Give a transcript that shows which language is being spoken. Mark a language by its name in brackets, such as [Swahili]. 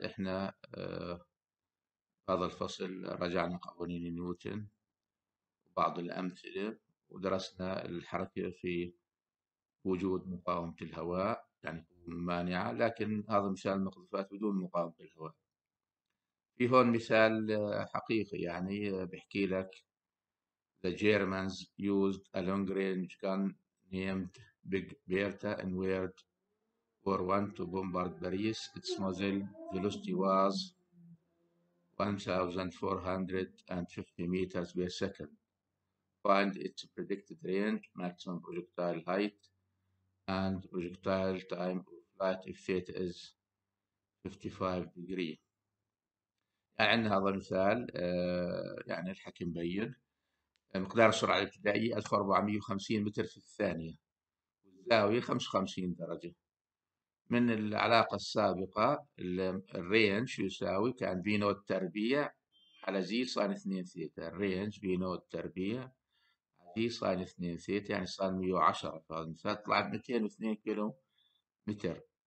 [Arabic] احنا هذا الفصل رجعنا قوانين نيوتن وبعض الأمثلة، ودرسنا الحركة في وجود مقاومة الهواء، يعني مانعة، لكن هذا مثال المقذوفات بدون مقاومة الهواء. في هون مثال حقيقي، يعني بحكي لك: [English] The Germans used a long range gun named Big Bertha in World War I to bombard Paris. Its muzzle velocity was 1450 meters per second. Find its predicted range, maximum projectile height, and projectile time of flight if it is 55 degrees. [Arabic] يعني عندنا هذا المثال، يعني الحكي مبين. مقدار السرعة الابتدائية 1450 متر في الثانية، والزاوية 55 درجة. من العلاقة السابقة الرينج يساوي، كان في نود تربيع على زي ساين 2 ثيتا، الرينج في نود تربيع على زي ساين 2 ثيتا يعني ساين 110، فهذا المثال طلع 202 كيلو متر.